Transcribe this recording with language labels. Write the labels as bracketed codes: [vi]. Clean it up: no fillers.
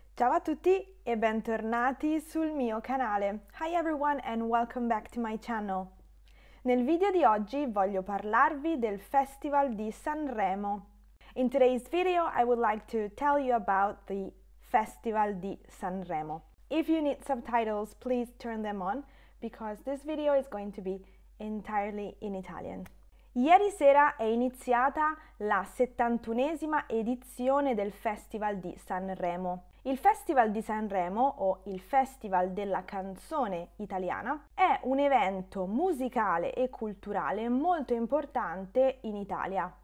[it] Ciao a tutti e bentornati sul mio canale. [en] Hi everyone and welcome back to my channel. [it] Nel video di oggi voglio parlarvi del Festival di Sanremo. [en] In today's video, I would like to tell you about the Festival di Sanremo. If you need subtitles, please turn them on because this video is going to be entirely in Italian. [it] Ieri sera è iniziata la 71esima edizione del Festival di Sanremo. Il Festival di Sanremo, o il Festival della Canzone Italiana, è un evento musicale e culturale molto importante in Italia.